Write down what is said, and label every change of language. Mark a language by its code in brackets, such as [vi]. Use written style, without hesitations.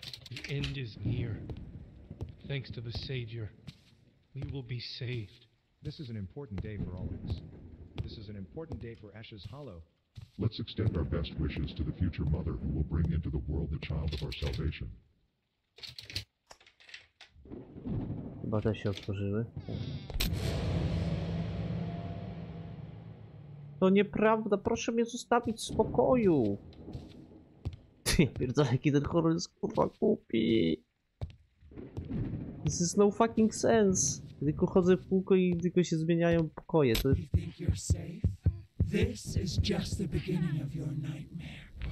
[en] The end is near. Thanks to the Savior, we will be saved. This is an important day for all of us. This is an important day for Ashes Hollow. Let's extend our best wishes to the future mother who will bring into the world the child of our salvation. [pl] Chyba też się otworzyły. To nieprawda, proszę mnie zostawić w spokoju. Ty, ja pierdolę, jaki ten horror jest kurwa głupi. [en] This is no fucking sense. [pl] Tylko chodzę w kółko i tylko się zmieniają pokoje. To... [en] This is just the beginning of your nightmare.